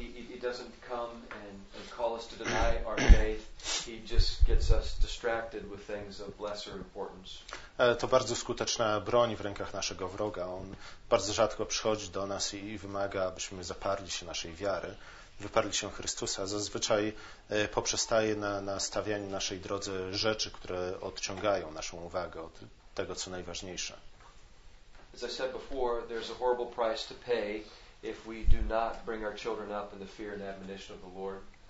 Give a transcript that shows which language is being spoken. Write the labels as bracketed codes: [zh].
[en] He doesn't come and call us to deny our faith. He just gets us distracted with things of lesser importance. [pl] To bardzo skuteczna broń w rękach naszego wroga. On bardzo rzadko przychodzi do nas i wymaga, abyśmy zaparli się naszej wiary, wyparli się Chrystusa. Zazwyczaj poprzestaje na stawianiu naszej drodze rzeczy, które odciągają naszą uwagę od tego, co najważniejsze. [en] As I said before, there's a horrible price to pay if we do not bring our children up in the fear and admonition of the Lord.